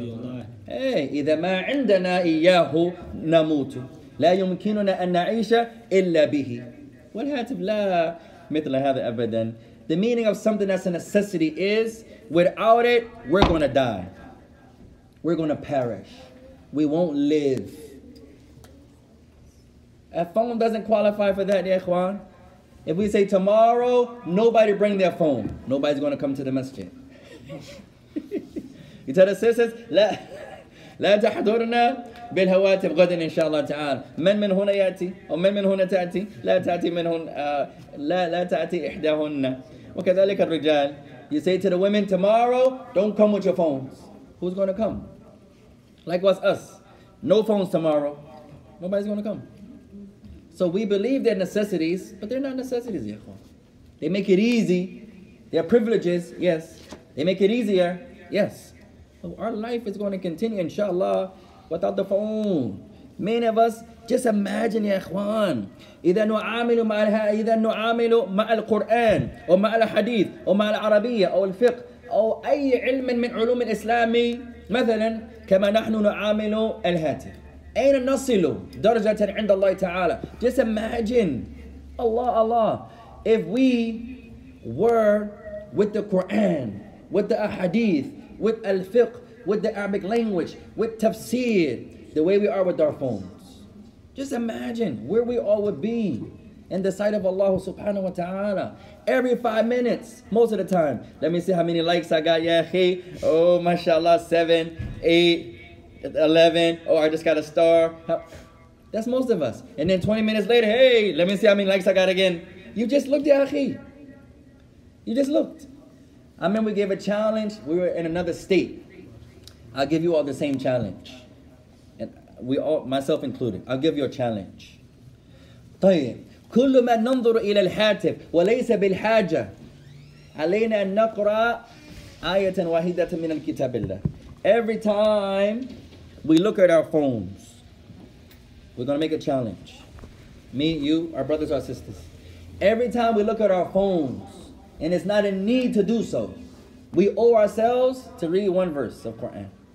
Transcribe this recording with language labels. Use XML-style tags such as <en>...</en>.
<en>your life. Hey,</en> <ar>إذا ما عندنا إياه نموت لا يمكننا أن نعيش إلا به. والهاتف لا مثل هذا أبدا.</ar> <en>The meaning of something that's a necessity is without it, we're going to die. We're going to perish. We won't live. A phone doesn't qualify for that, Ya Ikhwan. If we say tomorrow, nobody bring their phone. Nobody's going to come to the masjid. You tell the sisters,</en> <ar>لا تحضرنا بالهواتف غدا إن شاء الله تعالى. من من هنا يأتي أو من من هنا تأتي لا تأتي من هنا لا تأتي إحداهن. وكذلك الرجال.</ar> <en>You say to the women, tomorrow, don't come with your phones. Who's going to come? Likewise us. No phones tomorrow. Nobody's going to come. So we believe they're necessities, but they're not necessities, Ya Ikhwan. They make it easy. They're privileges, yes. They make it easier, yes. So our life is going to continue, inshallah, without the phone. Many of us, just imagine, Ya Ikhwan.</en> <ar>إذا نعامل مع الها إذا نعامل مع القرآن أو مع الحديث أو مع العربية أو الفقه أو أي علم من علوم الإسلام مثلا كما نحن نعامل الهاتف. أين نصل درجة عند الله تعالى.</ar> <en>Just imagine, Allah, if we were with the Quran, with the Ahadith, with Al-Fiqh, with the Arabic language, with Tafsir, the way we are with our phones. Just imagine where we all would be in the sight of Allah subhanahu wa ta'ala. Every 5 minutes, most of the time. Let me see how many likes I got. Yeah, hey. Oh, mashallah, 7, 8, 11. Oh, I just got a star. That's most of us. And then 20 minutes later, hey, let me see how many likes I got again. You just looked, ya akhi. You just looked. I mean, we gave a challenge. We were in another state. I'll give you all the same challenge. And we all, myself included, I'll give you a challenge.</en> <ar>طيب. كل ما ننظر إلى الهاتف وليس بالحاجة علينا أن نقرأ آية واحدة من الكتاب الله.</ar> <en>Every time we look at our phones, we're going to make a challenge. Me, you, our brothers, our sisters. Every time we look at our phones, and it's not a need to do so, we owe ourselves to read one verse of Quran.</en>